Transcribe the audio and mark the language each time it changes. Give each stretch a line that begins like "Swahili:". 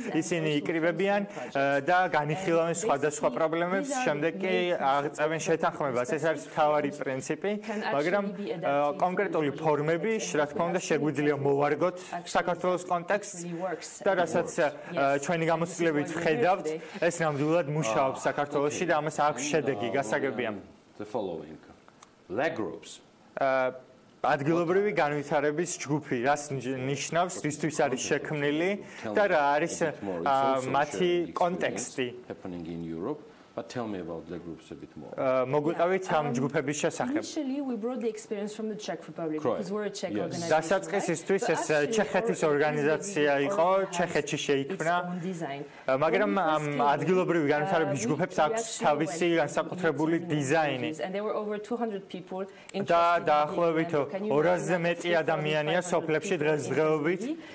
Georgian: ისინი იკრიბებიან და განიხილავენ სხვადასხვა პრობლემებს, შემდეგ კი აღწევენ შეთანხმებას. ეს არის მთავარი პრინციპი, მაგრამ კონკრეტული ფორმები, რა თქმა უნდა, შეგვიძლია მოვარგოთ საქართველოს კონტექსტს და რასაც ჩვენი გამოცდილებით ხედავთ, ეს ნამდვილად მუშაობს საქართველოში და ამას აქვს შედეგი, გასაგებია.
English: The following leg groups
Georgian: ადგილობრივი განვითარების ჯგუფი, რას ნიშნავს, რისთვის არის შექმნილი და რა არის მათი კონტექსტი.
English: But tell me about the groups a bit more.
Georgian: მოგვიყავით ამ ჯგუფების შესახებ.
English: Initially we brought the experience from the Czech Republic because we're a Czech organization.
Georgian: დასაწყისისთვის ეს ჩეხეთის ორგანიზაცია იყო, ჩეხეთში შეიქმნა. მაგრამ ამ ადგილობრივი განვითარების ჯგუფებს აქვს თავისი განსაკუთრებული დიზაინი. და დაახლოებით 200-ზე მეტი ადამიანია სოფლებში დღესდღეობით.